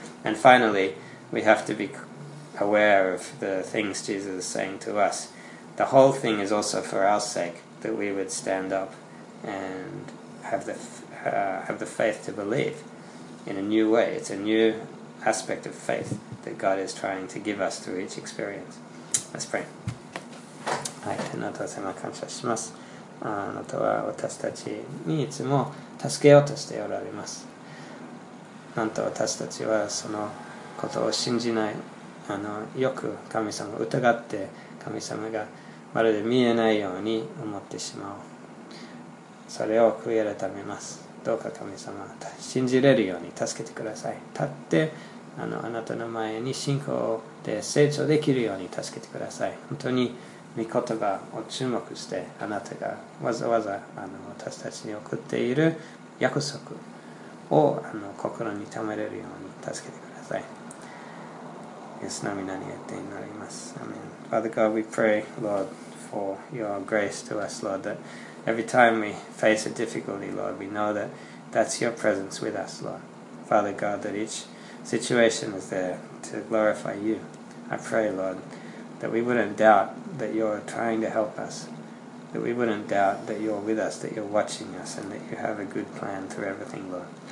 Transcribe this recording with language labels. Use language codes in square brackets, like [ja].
[en] And finally, we have to be aware of the things Jesus is saying to us. The whole thing is also for our sake, that we would stand up and have the faith to believe in a new way. It's a new aspect of faith that God is trying to give us through each experience. Let's pray. [ja] はい、天皇とお世話感謝します。あなたは私たちにいつも助けようとしておられます。なんと私たちはそのことを信じない。よく神様を疑って神様がまるで見えないように思ってしまう。それを悔い改めます。どうか神様、信じれるように助けてください。立って、あなたの前に信仰で成長できるように助けてください。本当に御言葉を注目して、あなたがわざわざ私たちに送っている約束を心に留めれるように助けてください。イエスの御名によって祈ります。アメン。 [en] Father God, we pray, Lord, for your grace to us, Lord, that every time we face a difficulty, Lord, we know that that's your presence with us, Lord. Father God, that each situation is there to glorify you. I pray, Lord, that we wouldn't doubt that you're trying to help us, that we wouldn't doubt that you're with us, that you're watching us, and that you have a good plan through everything, Lord.